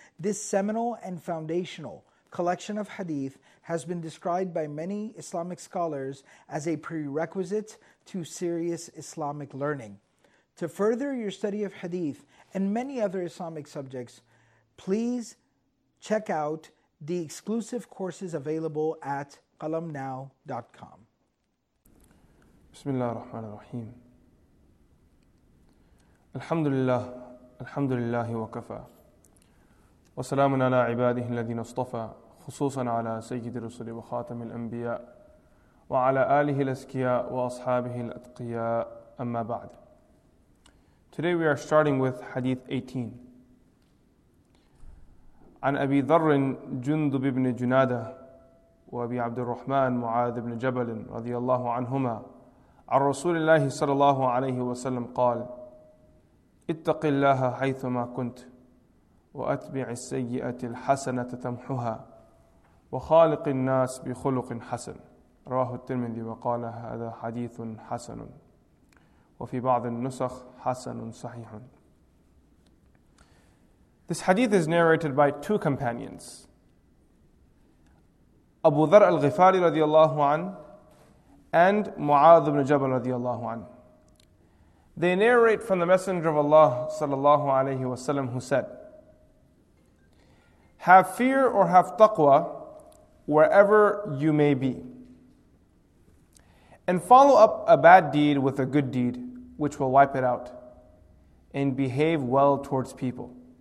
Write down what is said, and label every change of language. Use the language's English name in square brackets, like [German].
[English] This seminal and foundational collection of hadith has been described by many Islamic scholars as a prerequisite to serious Islamic learning. To further your study of hadith and many other Islamic subjects, please check out the exclusive courses available at qalamnow.com. [Arabic] بسم الله الرحمن الرحيم الحمد لله الحمد لله وكفى وسلام على عباده الذين اصطفى خصوصا على سيد الرسل وخاتم الأنبياء وعلى آله الأزكياء وأصحابه الأتقياء أما بعد. [English] Today we are starting with hadith 18. [Arabic] عن أبي ذر جندب بن جنادة وأبي عبد الرحمن معاذ بن جبل رضي الله عنهما عن رسول الله صلى الله عليه وسلم قال اتق الله حيثما كنت وأتبع السيئة الحسنة تمحها وخالق الناس بخلق حسن رواه الترمذي وقال هذا حديث حسن وفي بعض النسخ حسن صحيح. [English] This hadith is narrated by two companions, Abu Dharr al-Ghifari [Arabic] رضي الله عنه [English] and Mu'adh ibn Jabal radiyallahu anhu. They narrate from the Messenger of Allah sallallahu alayhi wa sallam, who said, have fear or have taqwa wherever you may be, and follow up a bad deed with a good deed, which will wipe it out, and behave well towards people.